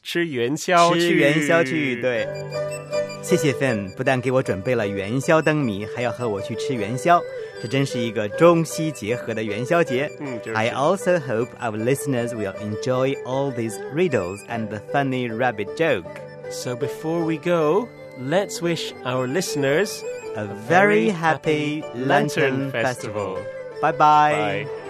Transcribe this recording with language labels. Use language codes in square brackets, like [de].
[zh] 吃元宵去，对。谢谢 Finn， 不但给我准备了元宵灯谜，还要和我去吃元宵。这真是一个中西结合的元宵节。 [en] I also hope our listeners will enjoy all these riddles and the funny rabbit joke. So before we go, let's wish our listeners a very happy Lantern Festival. Bye bye.